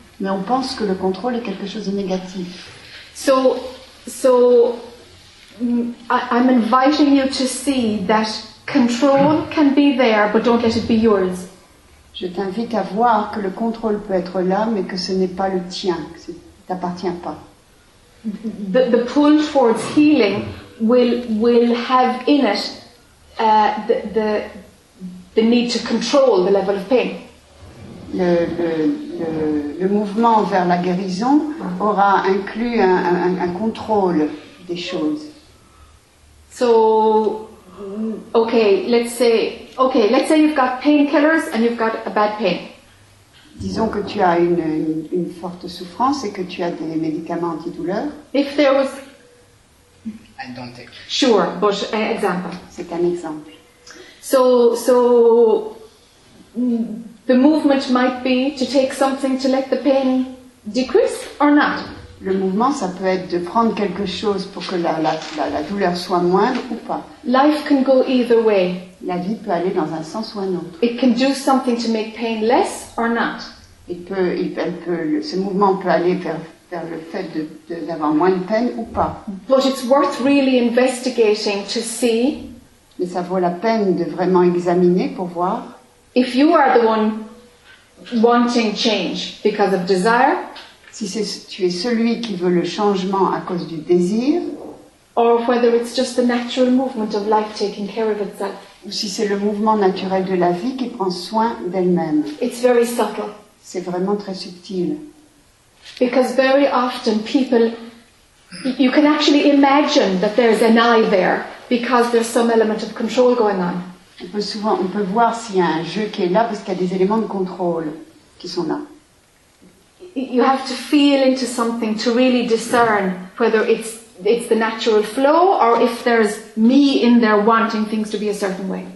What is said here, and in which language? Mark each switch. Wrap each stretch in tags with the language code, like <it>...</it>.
<fr>Mais on pense que le contrôle est quelque chose de négatif.</fr> <en>So. I'm inviting you to see that control can be there, but don't let it be yours.</en> <fr>Je t'invite à voir que le contrôle peut être là, mais que ce n'est pas le tien, que ça ne t'appartient pas.</fr> <en>The pull towards healing will have in it the need to control the level of pain.</en> <fr>le mouvement vers la guérison aura inclus un contrôle des choses.</fr> <en>So, okay, let's say you've got painkillers and you've got a bad pain.</en> <fr>Disons que tu as une forte souffrance et que tu as des médicaments antidouleurs.</fr> <en>If there was... I don't think. Sure, but example.</en> <fr>C'est un exemple.</fr> <en>So, the movement might be to take something to let the pain decrease or not.</en> <fr>Le mouvement, ça peut être de prendre quelque chose pour que la douleur soit moindre ou pas.</fr> <en>Life can go either way.</en> <fr>La vie peut aller dans un sens ou un autre.</fr> <en>It can do something to make pain less or not.</en> <fr>Ce mouvement peut aller vers le fait d'avoir moins de peine ou pas.</fr> <en>But it's worth really investigating to see.</en> <fr>Mais ça vaut la peine de vraiment examiner pour voir.</fr> <en>If you are the one wanting change because of desire.</en> <fr>Si tu es celui qui veut le changement à cause du désir,</fr> <en>or whether it's just the natural movement of life taking care of itself,</en> <fr>ou si c'est le mouvement naturel de la vie qui prend soin d'elle-même,</fr> <en>it's very subtle.</en> <fr>C'est vraiment très subtil.</fr> <en>Because very often people, you can actually imagine that there's an I there because there's some element of control going on.</en> <fr>On peut voir s'il y a un jeu qui est là parce qu'il y a des éléments de contrôle qui sont là.</fr> <en>You have to feel into something to really discern whether it's the natural flow or if there's me in there wanting things to be a certain way.</en>